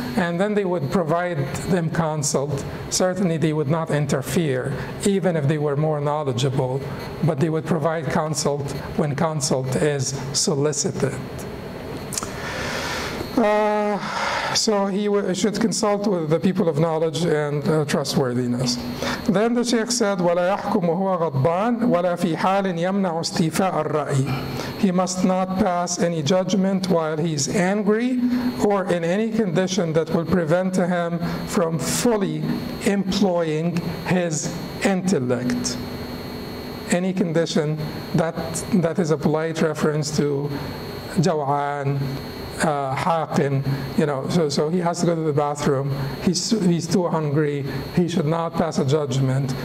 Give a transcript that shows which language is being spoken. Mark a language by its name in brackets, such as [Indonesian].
[English] And then they would provide them consult. Certainly they would not interfere, even if they were more knowledgeable, but they would provide consult when consult is solicited. So he should consult with the people of knowledge and trustworthiness. Then the Sheikh said, [Arabic] وَلَا يَحْكُمُ هُوَ غَضْبَانٌ وَلَا فِي حَالٍ يَمْنَعُ اسْتِيفَاءَ الرَّأِيِ. [English] He must not pass any judgment while he's angry or in any condition that will prevent him from fully employing his intellect. any condition that is a polite reference to jawan, haqin, you know, so he has to go to the bathroom, he's too hungry, he should not pass a judgment.